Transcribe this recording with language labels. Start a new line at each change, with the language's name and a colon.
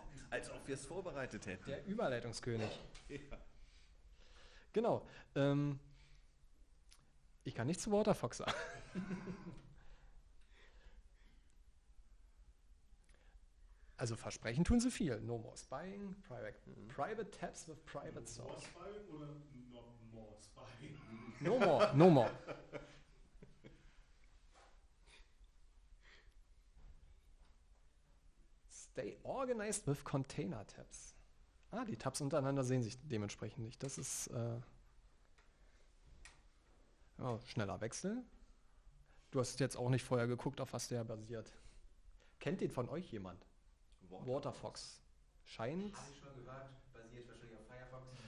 German: als ob wir es vorbereitet hätten. Der Überleitungskönig. Ja. Genau. Ich kann nichts zu Waterfox sagen. Also versprechen tun sie viel.
English: No more spying, private tabs with private source. No more spying oder no more spying? No more, no more. Stay organized with container tabs.
German: Ah, die Tabs untereinander sehen sich dementsprechend nicht. Das ist... Oh, schneller Wechsel. Du hast jetzt auch nicht vorher geguckt, auf was der basiert. Kennt den von euch jemand? Waterfox. Scheint. Habe ich schon gehört, basiert wahrscheinlich auf Firefox.